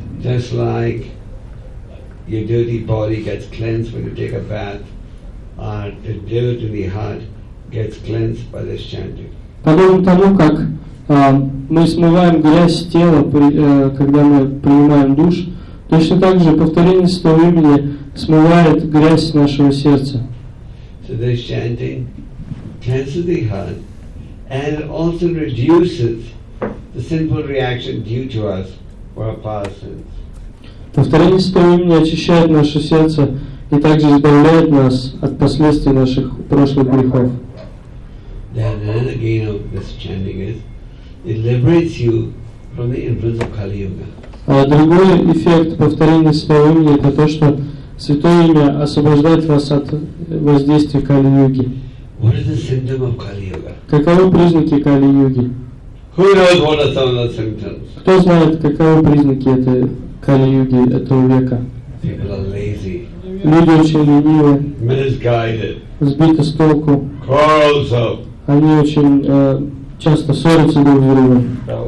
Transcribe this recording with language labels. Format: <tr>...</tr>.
<en>Just like your dirty body gets cleansed when you take a bath, the dirt in the heart gets cleansed by this chanting.</en> <ru>Подобно тому, как мы смываем грязь с тела, когда мы принимаем душ, точно так же повторение святого имени смывает грязь нашего сердца.</ru> <en>So this chanting cleanses the heart and also reduces the sinful reaction due to us for our past sins.</en> <ru>Повторение святого имени очищает наше сердце и также избавляет нас от последствий наших прошлых грехов.</ru> <en>Then again of this chanting is, it liberates you from the influence of Kali Yuga.</en> <ru>Другой эффект повторения святого имени — это то, что святое имя освобождает вас от воздействия Кали Юги.</ru> <en>What is the symptom of Kali Yuga?</en> <ru>Каковы признаки Кали Юги?</ru> <en>Who knows what are some of the symptoms?</en> <ru>Кто знает, каковы признаки этой Кали-юги этого века?</ru> <en>People are lazy.</en> <ru>Люди очень ленивы.</ru> <en>Misguided.</en> <ru>Сбиты с толку.</ru> <en>Quarrelsome.</en> <ru>Они очень часто ссорятся друг с другом.</ru>